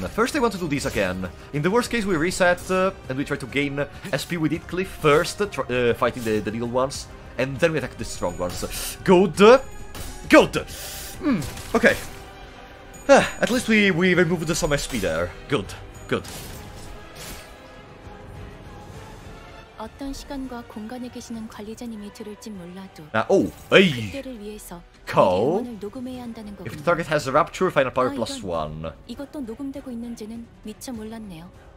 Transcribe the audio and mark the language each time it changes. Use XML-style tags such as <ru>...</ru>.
<en>First, I want to do this again. In the worst case, we reset and we try to gain SP with Heathcliff first, fighting the little ones, and then we attack the strong ones. Good. Okay. At least we removed some SP there. Good.</en> <ko>어떤 시간과 공간에 계시는 관리자님이 들을지 몰라도 그때를 위해서 영혼을 녹음해야 한다는 거군요.</ko> <en>If the target has a rapture, final power plus one.</en> <ko>이것도 녹음되고 있는지는 미처 몰랐네요.</ko>